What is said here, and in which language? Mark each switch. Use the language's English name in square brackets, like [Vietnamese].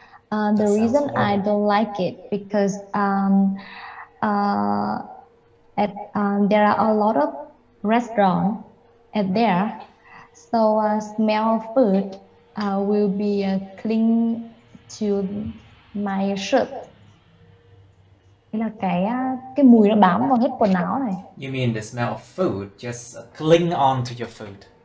[English] The reason I don't like it because there are a lot of restaurants at there, so smell of food will be cling to my shirt. [Vietnamese] Là cái mùi nó bám vào hết quần áo này. [English] You mean the smell of food just cling on to your food?